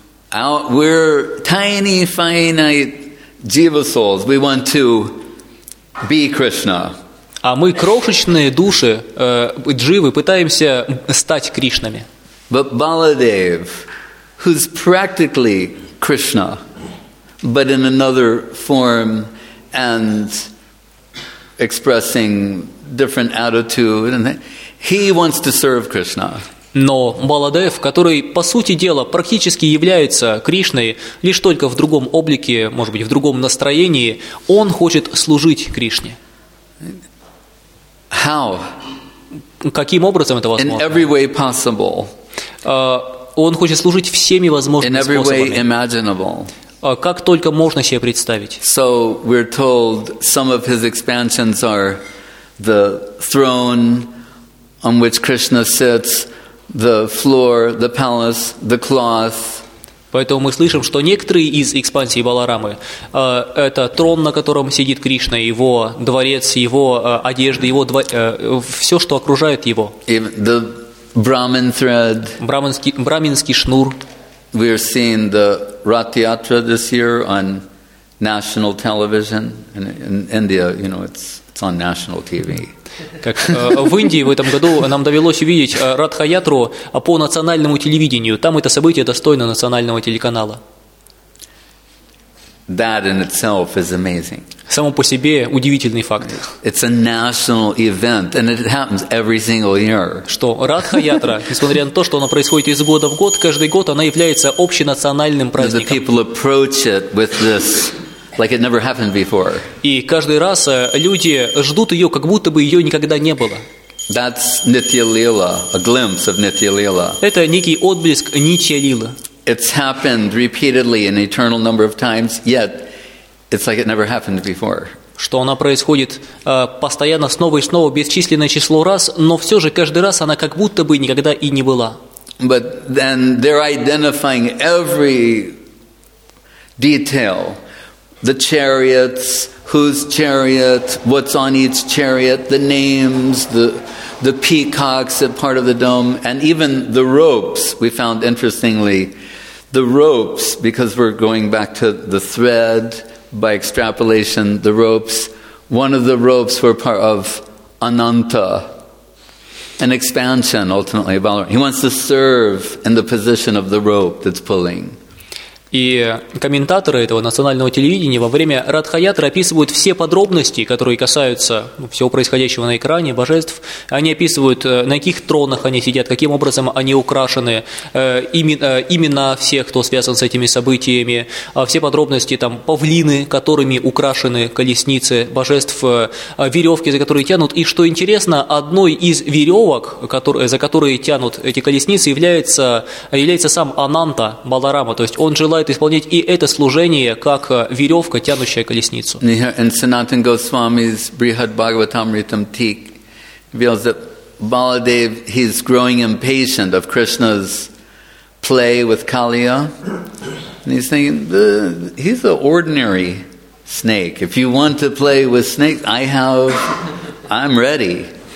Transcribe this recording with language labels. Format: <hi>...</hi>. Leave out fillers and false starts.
<en>We're tiny, finite jiva souls. We want to be Krishna.</en> <ru>А мы, крошечные души, дживы, пытаемся стать Кришнами.</ru> <en>But Baladev, who's practically Krishna, but in another form and expressing different attitude, and he wants to serve Krishna.</en> <ru>Но Баладев, который по сути дела практически является Кришной, лишь только в другом облике, может быть, в другом настроении, он хочет служить Кришне.</ru> <en>How?</en> <ru>Каким образом это возможно?</ru> <en>In every way possible.</en> <ru>он хочет служить всеми возможными способами. Как только можно себе представить.</ru> <en>So we're told some of his expansions are the throne on which Krishna sits, the floor, the palace, the cloth.</en> <ru>Поэтому мы слышим, что некоторые из экспансий Баларамы это трон, на котором сидит Кришна, его дворец, его одежда, его все, что окружает его.</ru> <en>The Brahmin thread.</en> <ru>Брахминский шнур.</ru> <en>We are seeing the Ratiyatra this year on national television. In India, you know, it's on national TV.</en> <ru>Как в Индии в этом году нам довелось увидеть Ратха-ятру по национальному телевидению. Там это событие достойно национального телеканала.</ru> <en>That in itself is amazing.</en> <ru>Само по себе удивительный факт.</ru> <en>It's a national event, and it happens every single year.</en> <ru>Что Ратха-ятра, несмотря на то, что она происходит из года в год, каждый год она является общенациональным праздником.</ru> <en>The people approach it with this. Like it never happened before.</en> <ru>И каждый раз люди ждут ее, как будто бы ее никогда не было.</ru> <en>That's Nitya Lila, a glimpse of Nitya Lila.</en> <ru>Это некий отблеск Нитья Лила.</ru> <en>It's happened repeatedly an eternal number of times, yet it's like it never happened before.</en> <ru>Что она происходит постоянно снова и снова бесчисленное число раз, но все же каждый раз она как будто бы никогда и не была.</ru> <en>But then they're identifying every detail. The chariots, whose chariot, what's on each chariot, the names, the peacocks at part of the dome, and even the ropes, we found interestingly, the ropes, because we're going back to the thread by extrapolation, the ropes, one of the ropes were part of Ananta, an expansion ultimately of Balaram. He wants to serve in the position of the rope that's pulling.</en> <ru>И комментаторы этого национального телевидения во время Ратха-ятры описывают все подробности, которые касаются всего происходящего на экране, божеств. Они описывают, на каких тронах они сидят, каким образом они украшены, имена всех, кто связан с этими событиями, все подробности, там, павлины, которыми украшены колесницы божеств, веревки, за которые тянут. И что интересно, одной из веревок, за которые тянут эти колесницы, является сам Ананта Баларама, то есть он желает исполнять и это служение как веревка, тянущая колесницу.</ru> <en>And Sanatan Goswami's Brihad Bhagavatamritam Tik reveals that Baladev, he's growing impatient of Krishna's play with Kaliya. And he's thinking, he's an ordinary snake. If you want to play with snakes, I'm ready.</en>